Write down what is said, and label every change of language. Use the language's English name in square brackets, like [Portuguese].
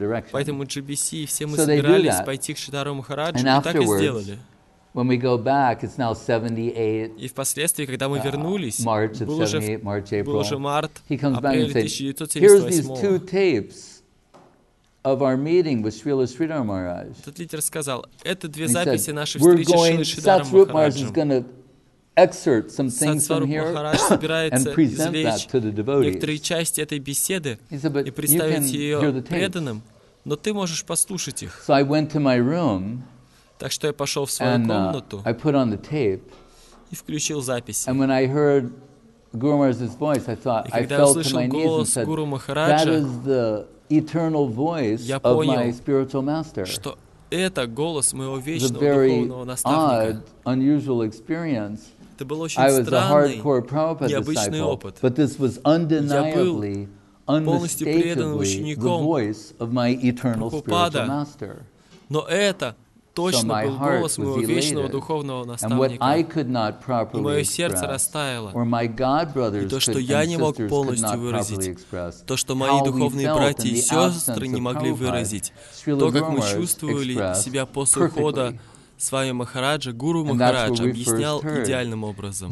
[Russian] Поэтому GBC и все мы собирались пойти к Шридхару Махараджу, и так и сделали. [English] When we go back, it's now 78, March of 78, March, April. He comes back and says, here's these two tapes of our meeting with Srila Sridhar Maharaj. He said, we're going, Satsrup Maharaj is going to excerpt some things from here and present that to the devotees. He said, but you can hear the tapes. So I went to my room. [Russian] Так что я пошел в свою комнату и включил запись. [English] And when I heard Guru Maharaj's voice, I thought I fell to my knees and said, "That is the eternal voice of my spiritual master." [Russian] Что это голос моего вечного духовного наставника. [English] Odd, unusual experience. [Russian] Это был очень странный, необычный опыт. [English] But this was undeniably, unmistakably the voice of my eternal spiritual master. [Russian] Но это точно был голос моего вечного духовного наставника. И мое сердце растаяло. И то, что я не мог полностью выразить. То, что мои духовные братья и сестры не могли выразить. То, как мы чувствовали себя после ухода с вами Махараджа, Гуру Махарадж объяснял идеальным образом.